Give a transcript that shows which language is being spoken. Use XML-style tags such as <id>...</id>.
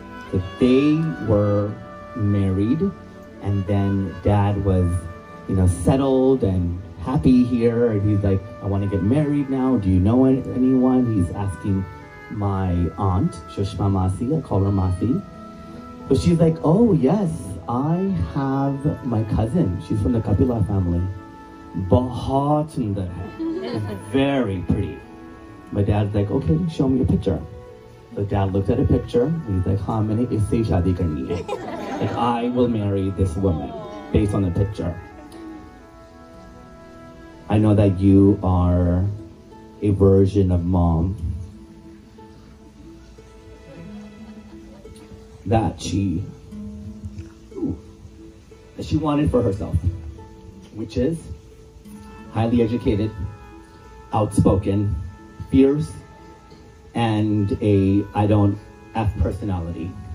<en>So they were married, and then Dad was, you know, settled and happy here. And he's like, "I want to get married now. Do you know anyone?" He's asking my aunt, Sushma Masi, I call her Masi. But she's like, "Oh yes, I have my cousin. She's from the Kapila family.</en> <hi>बहुत सुंदर है.</hi> <en>Very pretty." My dad's like, "Okay, show me a picture." The dad looked at a picture and he's like,</en> <hi>"हाँ, मैंने इससे शादी करनी है."</hi> <en>Like, I will marry this woman based on the picture. I know that you are a version of Mom that she wanted for herself, which is highly educated, outspoken, fierce, and a I don't F personality.</en>